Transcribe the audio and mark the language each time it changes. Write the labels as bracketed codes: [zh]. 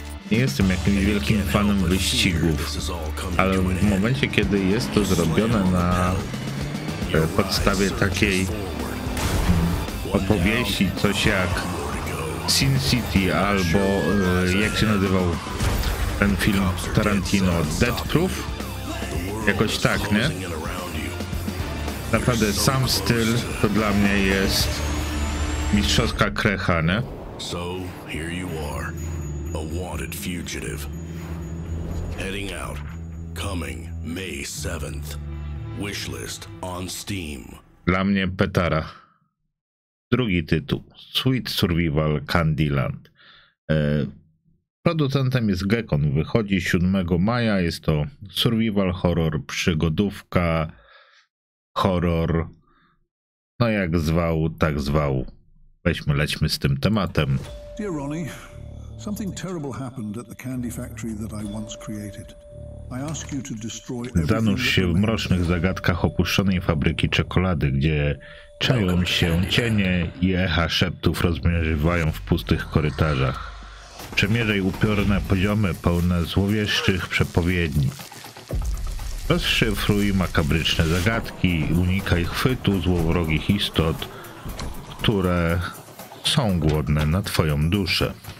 [pl] Nie jestem jakimś wielkim fanem wyścigów, ale w momencie, kiedy jest to zrobione na podstawie takiej opowieści, coś jak Sin City albo jak się nazywał ten film Tarantino, Death Proof? Jakoś tak, nie? Naprawdę sam styl to dla mnie jest mistrzowska krecha, nie? [en] So here you are, a wanted fugitive. Heading out, coming May 7th. Wishlist on Steam. [pl] Dla mnie petara. Drugi tytuł. [en] Sweet Survival Candyland. [pl] Producentem jest Gekon. Wychodzi 7 maja. Jest to survival horror, przygodówka, horror. No jak zwał, tak zwał. Weźmy, lećmy z tym tematem. [en] Dear Ronnie, something terrible happened at the candy factory that I once created. I ask you to destroy everything. [pl] Zanurz się w mrocznych zagadkach opuszczonej fabryki czekolady, gdzie czają się cienie i echa szeptów rozmierzywają w pustych korytarzach. Przemierzaj upiorne poziomy pełne złowieszczych przepowiedni. Rozszyfruj makabryczne zagadki, unikaj chwytu złowrogich istot, które są głodne na twoją duszę.